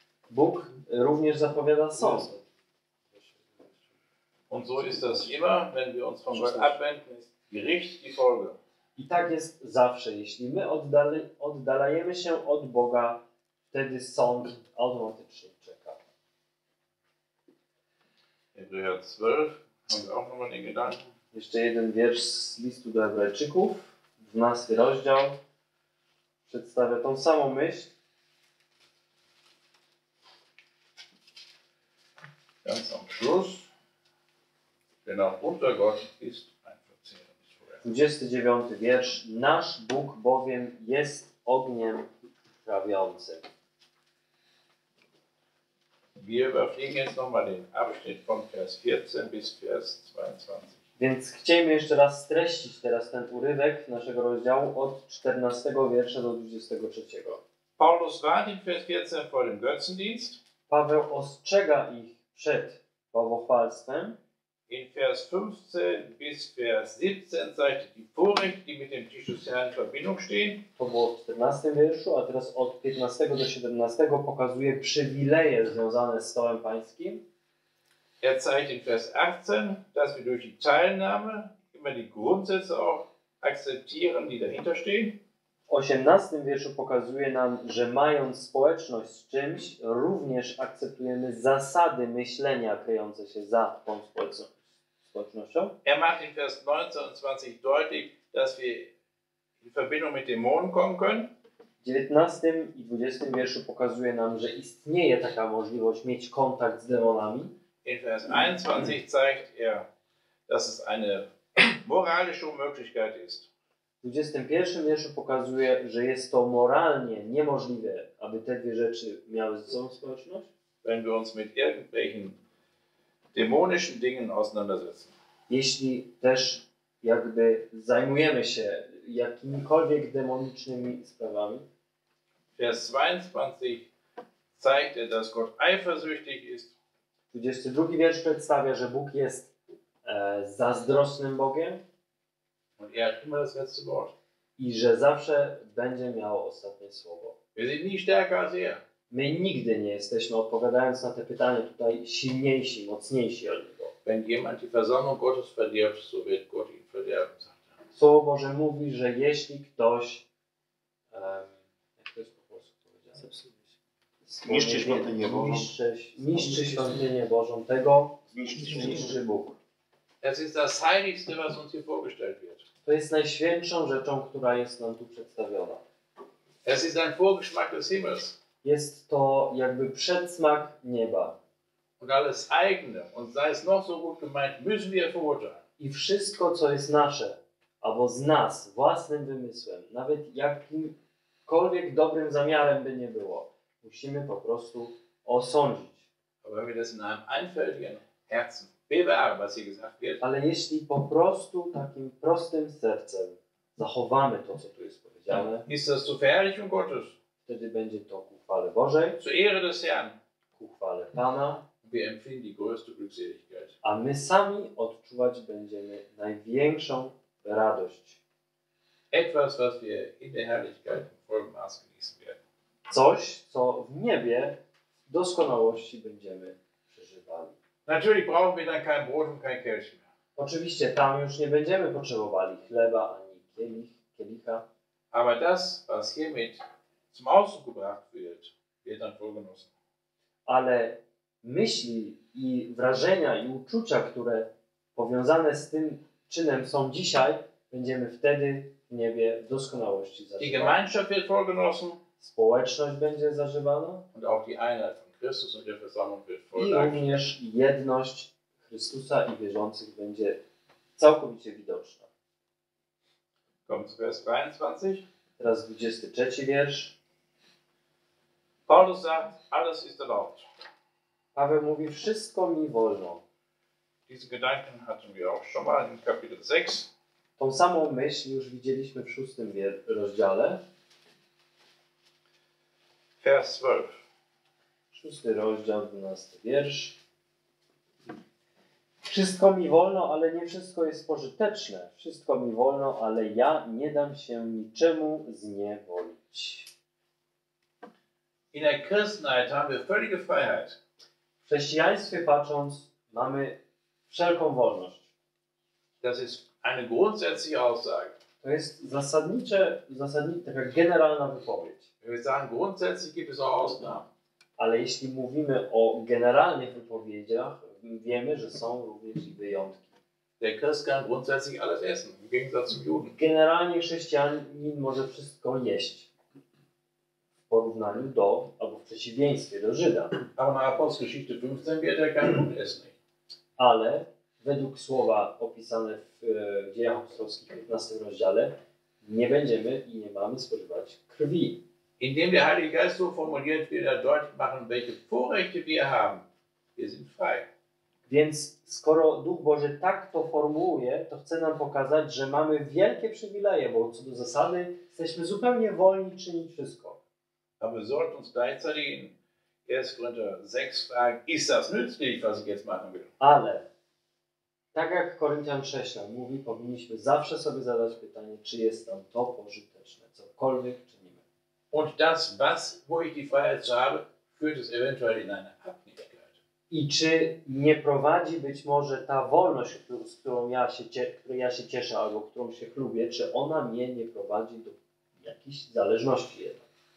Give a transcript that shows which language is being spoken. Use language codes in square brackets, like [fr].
[pl] Bóg również zapowiada sąd. [de] Und so ist das immer, wenn wir uns von Gott abwenden, ist Gericht die Folge. [pl] I tak jest zawsze, jeśli my oddalajemy się od Boga, wtedy sąd automatycznie czeka. [de] Hebräer 12, haben wir auch nochmal den Gedanken. [pl] Jeszcze jeden wiersz z listu do Hebrajczyków, 12 rozdział, przedstawia tą samą myśl. [de] Ganz am Schluss. Denn auch unser Gott ist ein verzehrendes Feuer. [pl] 29 wiersz. Nasz Bóg bowiem jest ogniem trawiącym. [de] Wir überfliegen jetzt nochmal den Abschnitt von Vers 14 bis Vers 22. [pl] Więc chcielibyśmy jeszcze raz streścić teraz ten urywek naszego rozdziału od 14 wiersza do 23. [de] Paulus warnt in Vers 14 vor dem Götzendienst. [pl] Paweł ostrzega ich przed bałwochwalstwem. [de] In Vers 15 bis Vers 17 zeigt die Furcht, die mit dem Tisches Herrn in Verbindung stehen. [pl] To było w 14 wierszu, a teraz od 15 do 17 pokazuje przywileje związane z stołem pańskim. [de] Er zeigt in Vers 18, dass wir durch die Teilnahme immer die Grundsätze auch akzeptieren, die dahinter stehen. [pl] W 18 wierszu pokazuje nam, że mając społeczność z czymś, również akceptujemy zasady myślenia kryjące się za tą społecznością. [de] Er macht in Vers 19 und 20 deutlich, dass wir in Verbindung mit Dämonen kommen können. [pl] W 19 i 20 wierszu pokazuje nam, że istnieje taka możliwość mieć kontakt z demonami. [de] In Vers 21 zeigt er, dass es eine moralische Möglichkeit ist. [pl] W 21 wierszu pokazuje, że jest to moralnie niemożliwe, aby te dwie rzeczy miały ze sobą społeczność. [de] Wenn wir uns mit irgendwelchen dämonischen Dingen auseinandersetzen. [pl] Jeśli też jakby zajmujemy się jakimikolwiek demonicznymi sprawami. [de] Vers 22 zeigt, dass Gott eifersüchtig ist. [pl] 22 wiersz przedstawia, że Bóg jest zazdrosnym Bogiem. [de] Und er hat immer das letzte Wort. [pl] I że zawsze będzie miał ostatnie słowo. [de] Wir sind nie stärker als er. [pl] My nigdy nie jesteśmy, odpowiadając na te pytania tutaj, silniejsi, mocniejsi od niego. [de] Wenn jemand die Versammlung Gottes verdirbt, so wird Gott ihn verderben, sagt er. [pl] Słowo Boże mówi, że jeśli ktoś... jak to jest po polsku powiedziane? Zepsuje się. Niszczy świątynię Bożą. Niszczy świątynię Bożą tego, niszczy Bóg. [de] Das ist das Heiligste, was uns hier vorgestellt wird. [pl] To jest najświętszą rzeczą, która jest nam tu przedstawiona. [de] Es ist ein Vorgeschmack des Himmels. [pl] Jest to jakby przedsmak nieba. [de] Und alles eigene, und sei es noch so gut gemeint, müssen wir verurteilen. [pl] I wszystko, co jest nasze, albo z nas, własnym wymysłem, nawet jakimkolwiek dobrym zamiarem by nie było, musimy po prostu osądzić. [de] Aber wir das in einem einfältigen Herzen bewahren, was hier gesagt wird. [pl] Ale jeśli po prostu takim prostym sercem zachowamy to, co tu jest powiedziane, [de] ist das zur Verherrlichung Gottes. [pl] Wtedy będzie to ku chwale Bożej, [de] zu Ehre des Herrn. [pl] Ku chwale Pana. [de] Wir empfinden die größte Glückseligkeit. [pl] A my sami odczuwać będziemy największą radość. [de] Etwas, was wir in der Herrlichkeit im vollen Maß genießen werden. [pl] Coś, co w niebie w doskonałości będziemy przeżywali. [de] Natürlich brauchen wir dann kein Brot und kein Kelch mehr. [pl] Oczywiście tam już nie będziemy potrzebowali chleba ani kielicha. [de] Aber das, was hiermit zum Ausdruck gebracht wird, wird dann wohl genossen. [pl] Ale myśli i wrażenia i uczucia, które powiązane z tym czynem są dzisiaj, będziemy wtedy w niebie w doskonałości zażywać. [de] Die Gemeinschaft wird wohl genossen. [pl] Społeczność będzie zażywana. [de] Und auch die Einheit von Christus und der Versammlung wird voll. [pl] I również jedność Chrystusa i wierzących będzie całkowicie widoczna. [de] Kommt zu Vers 22. [pl] Teraz 23 wiersz. [de] Paulus sagt, alles ist erlaubt. [pl] Paweł mówi, wszystko mi wolno. [de] Diesen Gedanken hatten wir auch schon mal in Kapitel 6. [pl] Tą samą myśl już widzieliśmy w 6 rozdziale. [de] Vers 12. [pl] 6 rozdział, 12 wiersz. Wszystko mi wolno, ale nie wszystko jest pożyteczne. Wszystko mi wolno, ale ja nie dam się niczemu zniewolić. [de] In der Christenheit haben wir völlige Freiheit. [pl] W chrześcijaństwie patrząc, mamy wszelką wolność. [de] Das ist eine grundsätzliche Aussage. [pl] To jest zasadnicza, taka generalna wypowiedź. [de] Wir sagen grundsätzlich gibt es auch Ausnahmen. [pl] Ale jeśli mówimy o generalnych wypowiedziach, wiemy, że są również i wyjątki. [de] Der Christ kann grundsätzlich alles essen, im Gegensatz zum Juden. [pl] Generalnie chrześcijanin może wszystko jeść. W porównaniu do, albo w przeciwieństwie do Żyda. [de] Aber nach Apostelgeschichte 15 wird er kein Blut essen. [pl] Ale według słowa opisane w Dziejach Apostolskich 15 rozdziale, nie będziemy i nie mamy spożywać krwi. [de] Indem der Heilige Geist so formuliert, wird er deutlich machen, welche Vorrechte wir haben. Wir sind frei. [pl] Więc skoro Duch Boży tak to formułuje, to chce nam pokazać, że mamy wielkie przywileje, bo co do zasady jesteśmy zupełnie wolni czynić wszystko. [de] Aber wir sollten uns gleichzeitig in 1. Korinther 6 fragen, ist das nützlich, was ich jetzt machen will? [pl] Ale tak jak Koryntian 6 mówi, powinniśmy zawsze sobie zadać pytanie, czy jest tam to pożyteczne, cokolwiek czynimy. [de] Und das, was, wo ich die Freiheit habe, führt es eventuell in eine Abhängigkeit. [pl] I czy nie prowadzi być może ta wolność, z którą ja się cieszę, albo którą się chlubię, czy ona mnie nie prowadzi do jakiejś zależności jednak?